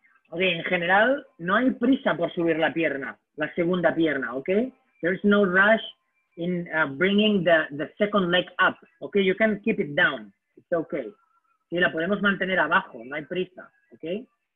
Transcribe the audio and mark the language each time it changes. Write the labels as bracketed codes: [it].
[es] Okay, en general, no hay prisa por subir la pierna, la segunda pierna, okay? [en] There's no rush in bringing the second leg up, okay? You can keep it down, it's okay. [es] Sí, la podemos mantener abajo, no hay prisa, okay?